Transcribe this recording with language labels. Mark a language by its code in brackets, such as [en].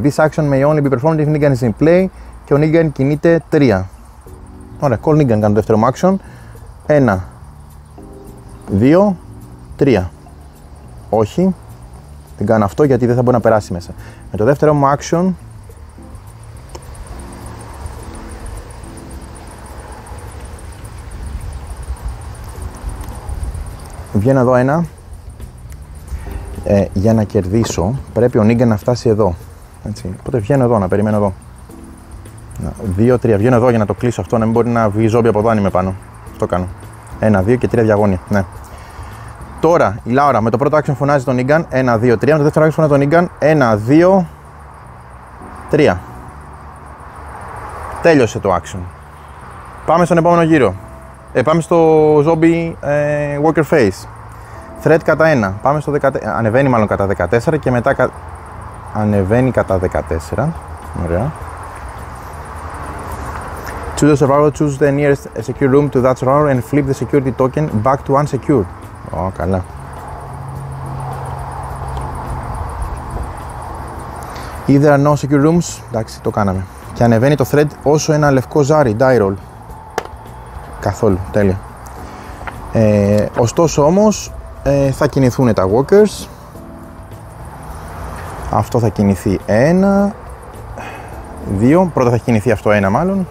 [en] This action may only be performed if Negan is in play. [el] Και ο Negan κινείται 3. Ωραία, call Negan κάνω το δεύτερο μου action. 1. 2. 3. Όχι. Δεν κάνω αυτό γιατί δεν θα μπορεί να περάσει μέσα. Με το δεύτερο μου action... βγαίνω εδώ ένα. Για να κερδίσω, πρέπει ο Νίγκαν να φτάσει εδώ. Έτσι. Οπότε βγαίνω εδώ, να περιμένω εδώ. 2-3, βγαίνω εδώ για να το κλείσω αυτό, να μην μπορεί να βγει ζόμπι από εδώ αν είμαι πάνω. Αυτό κάνω. 1, 2 και 3 διαγώνια. Ναι. Τώρα η Λάουρα με το πρώτο action φωνάζει τον Ίγκαν. 1, 2, 3. Με το δεύτερο action φωνάζει τον Ίγκαν. 1, 2, 3. Τέλειωσε το action. Πάμε στον επόμενο γύρο. Πάμε στο zombie Walker Face. Threat κατά 1. Πάμε στο 14. Ανεβαίνει μάλλον κατά 14 και μετά. Ανεβαίνει κατά 14. Ωραία. [en] To the survivor, choose the nearest secure room to that survivor and flip the security token back to unsecured. [el] Ω, καλά. [en] If there are no secure rooms, [el] εντάξει, το κάναμε. Και ανεβαίνει το thread όσο ένα λευκό ζάρι, die roll. Καθόλου, τέλεια. Ωστόσο όμως, θα κινηθούν τα walkers. Αυτό θα κινηθεί ένα, δύο, πρώτα θα κινηθεί αυτό ένα μάλλον.